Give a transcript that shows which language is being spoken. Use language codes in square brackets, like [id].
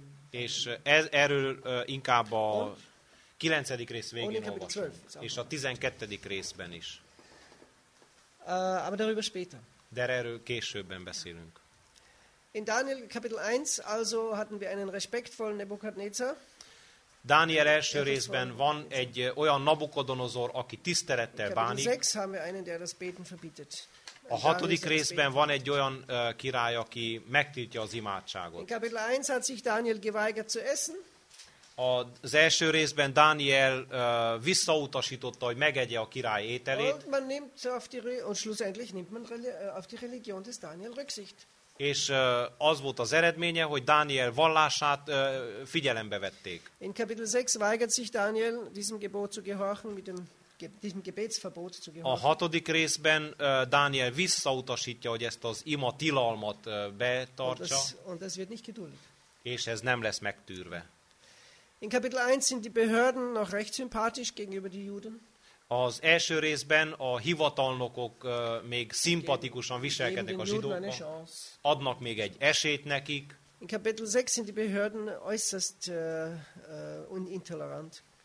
[hu] És erről inkább a 9. rész végén olvasunk, és a 12. részben is. [de] Aber darüber später. [hu] De erről későbben beszélünk. [de] In Daniel Kapitel 1 also hatten wir einen respektvollen Nebukadnezar. [hu] Daniel első részben van egy olyan Nabukodonozor, aki tisztelettel bánik. [de] Kapitel 6 haben wir einen, der das Beten verbietet. [hu] A hatodik részben van egy olyan király, aki megtiltja az imádságot. [de] In Kapitel 1 hat sich Daniel geweigert zu essen. [hu] Az első részben Dániel visszautasította, hogy megegye a király ételét. [de] Und man nimmt auf die, und schlussendlich nimmt man auf die Religion des Daniel Rücksicht. [hu] És az volt az eredménye, hogy Dániel vallását figyelembe vették. [de] In Kapitel 6 weigert sich Daniel diesem Gebot zu gehorchen mit dem Gebetsverbot zu gehorchen. [hu] A hatodik részben Dániel visszautasítja, hogy ezt az ima tilalmat betartsa. [de] Und das wird nicht geduldet. [hu] És ez nem lesz megtűrve. [de] In Kapitel 1 sind die Behörden noch recht sympathisch gegenüber den Juden. [hu] Az első részben a hivatalnokok még szimpatikusan viselkednek a zsidókkal, adnak még egy esélyt nekik. [de] In Kapitel 6 sind die Behörden äußerst intolerant.